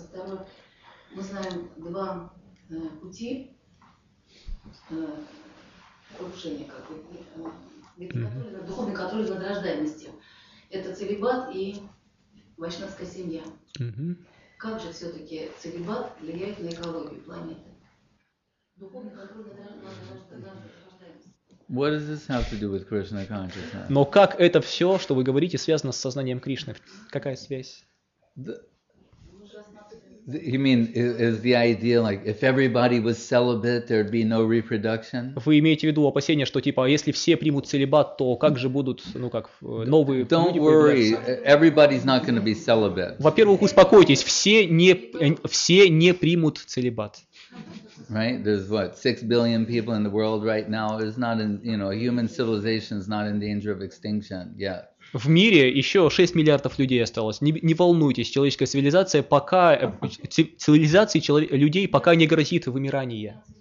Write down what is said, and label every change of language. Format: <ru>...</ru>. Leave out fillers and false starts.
<ru>А второй, мы знаем два пути крушения, как ведь который, духовный контроль над рождаемостью. Это целибат и вайшнавская семья. Как же все-таки целибат влияет на экологию планеты? Духовный контроль над</ru> <en>What does this have to do with Krishna consciousness?</en> <ru>Но как это все, что вы говорите, связано с сознанием Кришны? Какая связь?</ru> <en>You mean is the idea like if everybody was celibate, there'd be no reproduction?</en> <ru>Вы имеете в виду опасение, что типа, если все примут целибат, то как же будут, ну как, новые</ru> <en>Don't</en> <ru>люди появляться?</ru> <en>worry, everybody's not going to be celibate.</en> <ru>Во-первых, успокойтесь, все не примут целибат.</ru> <en>Right? There's what, 6 billion people in the world right now. It's not in, you know, human civilization is not in danger of extinction yet.</en> <ru>В мире еще 6 миллиардов людей осталось. Не волнуйтесь, человеческая цивилизация пока, цивилизации людей пока не грозит вымирание.</ru>